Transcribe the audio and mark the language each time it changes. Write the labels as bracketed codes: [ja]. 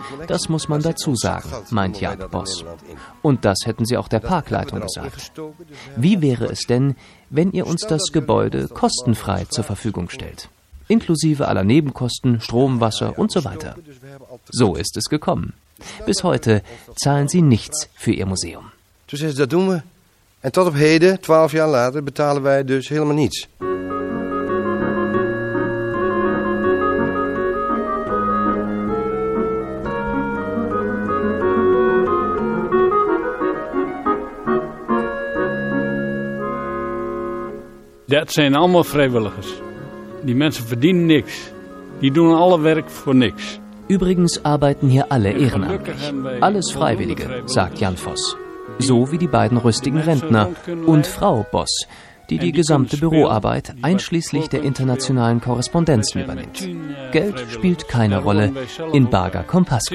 [de] Das muss man dazu sagen, meint Jaap Bos. Und das hätten sie auch der Parkleitung gesagt. Wie wäre es denn, wenn ihr uns das Gebäude kostenfrei zur Verfügung stellt? inklusive aller Nebenkosten, Strom, Wasser und so weiter. So ist es gekommen. Bis heute zahlen sie nichts für ihr Museum. [nl] Dus dat doen we. En tot op heden, 12 jaar later, betalen wij dus helemaal niets. Dat zijn allemaal vrijwilligers. Die mensen verdienen niks. Die doen alle werk voor niks. [de] Übrigens arbeiten hier alle ehrenamtlich. Alles Freiwillige, sagt Jan Voss. So wie die beiden rüstigen Rentner und Frau Boss, die die gesamte Büroarbeit einschließlich der internationalen Korrespondenzen übernimmt. Geld spielt keine Rolle in Barga Compasco.